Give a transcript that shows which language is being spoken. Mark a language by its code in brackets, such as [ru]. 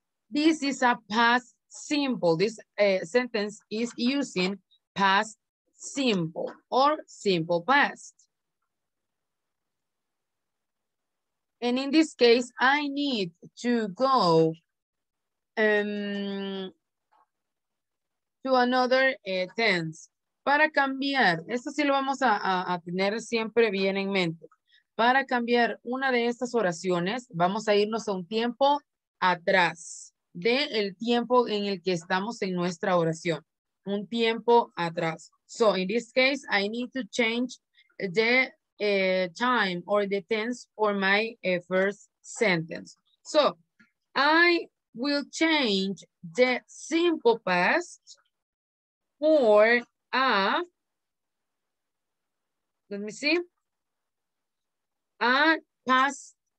[en] This is a past simple. This sentence is using past simple or simple past. And in this case, I need to go to another tense. [es] Para cambiar, esto sí lo vamos a tener siempre bien en mente. Para cambiar una de estas oraciones, vamos a irnos a un tiempo atrás. De el tiempo en el que estamos en nuestra oración. Un tiempo atrás. [en] So in this case, I need to change the time or the tense for my first sentence. So I will change the simple past for a, let me see, a past.